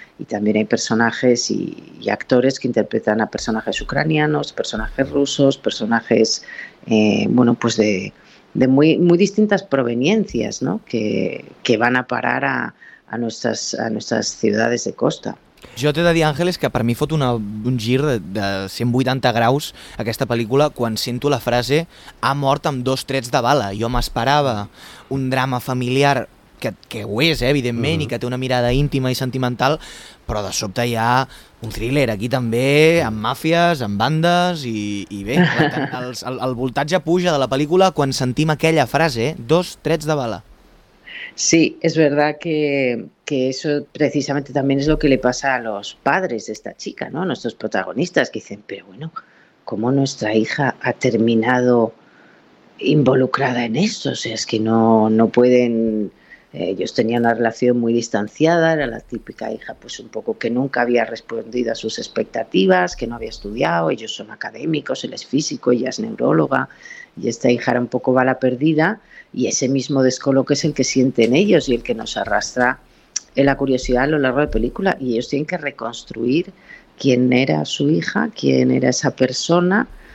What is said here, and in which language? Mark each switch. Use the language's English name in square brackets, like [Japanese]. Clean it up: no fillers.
[Spanish] Y también hay personajes y actores que interpretan a personajes ucranianos, personajes rusos, personajes bueno, pues de muy muy distintas proveniencias, ¿no? que van a parar a nuestras ciudades de costa. [Catalan] Jo t'he de dir, Àngeles, que per mi fot un gir de 180 graus aquesta pel·lícula quan sento la frase "ha mort amb dos trets de bala". Jo m'esperava un drama familiar, que ho és, evidentment, uh-huh, i que té una mirada íntima i sentimental, però de sobte hi ha un thriller aquí també, amb màfies, amb bandes, i bé, el voltatge puja de la pel·lícula quan sentim aquella frase, dos trets de bala. [Spanish] Sí, es verdad que eso precisamente también es lo que le pasa a los padres de esta chica, ¿no? A nuestros protagonistas, que dicen, pero bueno, ¿cómo nuestra hija ha terminado involucrada en esto? O sea, es que no pueden... Ellos tenían una relación muy distanciada, era la típica hija, pues un poco que nunca había respondido a sus expectativas, que no había estudiado, ellos son académicos, él es físico, ella es neuróloga, y esta hija era un poco bala perdida, y ese mismo descoloque es el que sienten ellos y el que nos arrastra en la curiosidad a lo largo de la película, y ellos tienen que reconstruir quién era su hija, quién era esa persona,